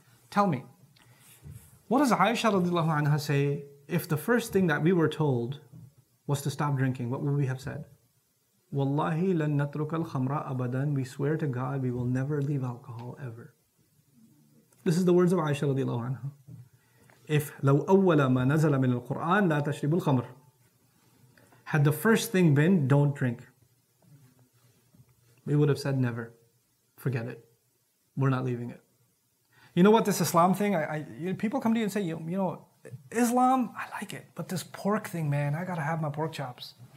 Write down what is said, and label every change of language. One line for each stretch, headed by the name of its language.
English: Tell me, what does Aisha radiallahu anha say if the first thing that we were told was to stop drinking? What would we have said?
Arabic: Wallahi lan natruk al khamra abadan.
English: We swear to God, we will never leave alcohol ever. This is the words of Aisha radiallahu anha.
Arabic: If لو أول ما نزل من القرآن لا تشرب الخمر.
English: Had the first thing been, don't drink, we would have said never. Forget it. We're not leaving it. You know what, this Islam thing, people come to you and say, you know, Islam, I like it, but this pork thing, man, I gotta have my pork chops.